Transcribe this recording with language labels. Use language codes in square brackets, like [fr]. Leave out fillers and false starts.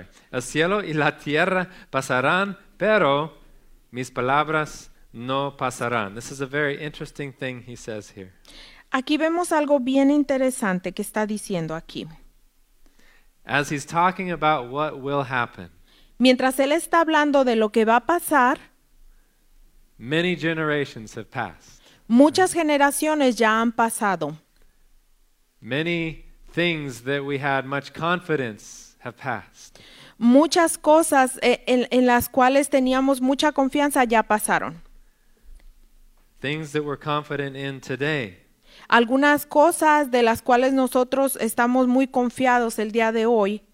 [es] El cielo y la tierra pasarán, pero mis palabras no pasarán. [en] This is a very interesting thing he says here. [es] Aquí vemos algo bien interesante que está diciendo aquí. [en] As he's talking about what will happen. [es] Mientras él está hablando de lo que va a pasar. [en] Many generations have passed. [es] Muchas generaciones ya han pasado. [en] Many things that we had much confidence have passed. [es] Muchas cosas en las cuales teníamos mucha confianza ya pasaron. [en] Things that we're confident in today. [es] Algunas cosas de las cuales nosotros estamos muy confiados el día de hoy